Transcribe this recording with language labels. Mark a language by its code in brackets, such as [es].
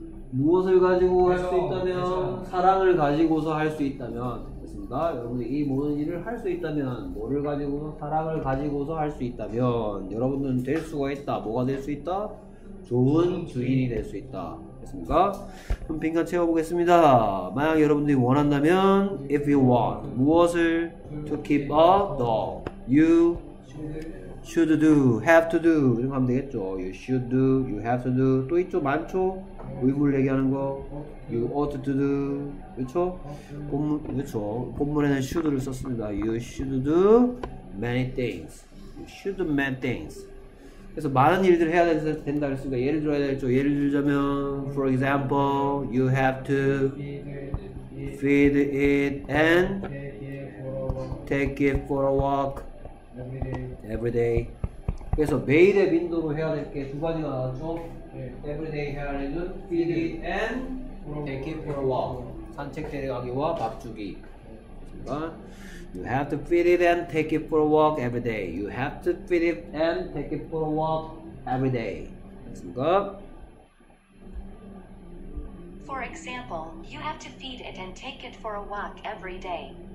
[ko] 무엇을 가지고 할 수 있다면? 사랑을 가지고서 할 수 있다면. 됐습니까? 여러분들이 이 모든 일을 할 수 있다면, 뭐를 가지고서? 사랑을 가지고서 할 수 있다면, 여러분들은 될 수가 있다. 뭐가 될 수 있다? 좋은 주인이 될 수 있다. 됐습니까? 그럼 빈칸 채워보겠습니다. 만약 여러분들이 원한다면, [en] if you want, [ko] 무엇을? [en] To keep a dog, you should do, have to do. [ko] 이렇게 하면 되겠죠. [en] You should do, you have to do. [ko] 또 있죠? 많죠? 의무를 얘기하는 거. [en] You ought to do. [ko] 그렇죠? 그렇죠? 본문에는 should를 썼습니다. [en] You should do many things. You should do many things. [ko] 그래서 많은 일들을 해야 된다 했으니까 예를 들어야 되겠죠. 예를 들자면, [en] for example, you have to feed it and take it for a walk every day. [ko] 그래서 매일의 빈도로 해야 될 게 두 가지가 나왔죠. [en] Every day [ko] 해야 되는 건 [en] feed it and take it for a walk. [ko] 산책 데려가기와 밥 주기. [en] You have to feed it and take it for a walk every day. You have to feed it and take it for a walk every day. [ko] 됐습니까? [en] For example, you have to feed it and take it for a walk every day.